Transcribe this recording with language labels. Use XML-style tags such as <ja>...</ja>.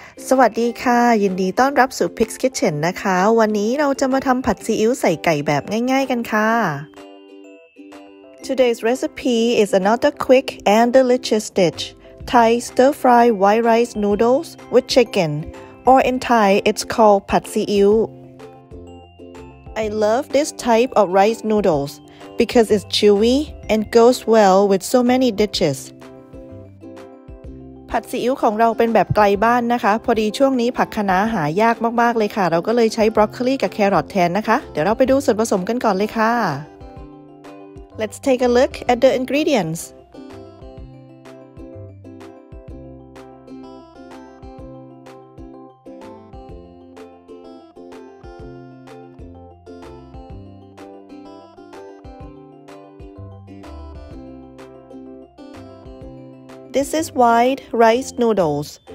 <th>สวัสดีค่ะยินดีต้อนรับสู่ Pig's Kitchen นะคะวันนี้เราจะมาทำผัดซีอิ๊วใส่ไก่แบบง่ายๆกันค่ะ</th> <en>Today's recipe is another quick and delicious dish. Thai stir-fry white rice noodles with chicken. Or in Thai, it's called Pad Si Eu. I love this type of rice noodles because it's chewy and goes well with so many dishes.</en> <th>ผัดซีอิ๊วของเราเป็นแบบไกลบ้านนะคะพอดีช่วงนี้ผักคะน้าหายาก มากๆเลยค่ะเราก็เลยใช้บรอกโคลีกับแครอทแทนนะคะเดี๋ยวเราไปดูส่วนผสมกันก่อนเลยค่ะ</th> <en>Let's take a look at the ingredients This is white rice noodles.</en>